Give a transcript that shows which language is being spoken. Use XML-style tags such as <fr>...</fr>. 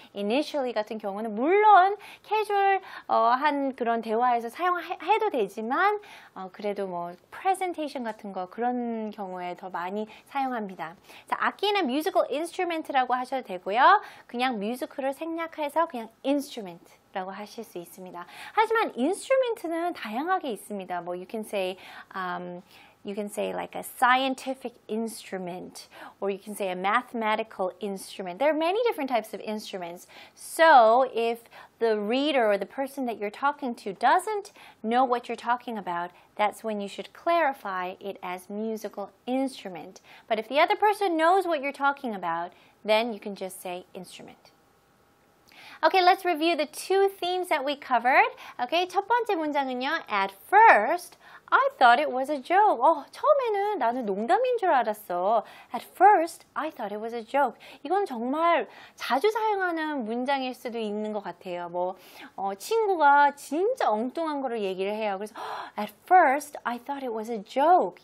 <ko>initially 같은 경우는 물론 캐주얼한 그런 대화에서 사용해도 되지만 그래도 뭐 presentation 같은 거 그런 경우에 더 많이 사용합니다. 자, 악기는 musical instrument라고 하셔도 되고요. 그냥 musical을 생략해서 그냥 instrument. 라고 하실 수 있습니다. 하지만 인스트루먼트는 다양하게 있습니다. 뭐</ko> <en>you can say you can say like a scientific instrument or you can say a mathematical instrument. There are many different types of instruments. So, if the reader or the person that you're talking to doesn't know what you're talking about, that's when you should clarify it as musical instrument. But if the other person knows what you're talking about, then you can just say instrument. Okay, let's review the two themes that we covered.</en> <ko>Okay, 첫 번째 문장은요.</ko> <en>At first, I thought it was a joke.</en> <ko>처음에는 나는 농담인 줄 알았어.</ko> <en>At first, I thought it was a joke.</en> <ko>이건 정말 자주 사용하는 문장일 수도 있는 것 같아요. 뭐 친구가 진짜 엉뚱한 거를 얘기를 해요. 그래서</ko> <en>At first, I thought it was a joke.</en>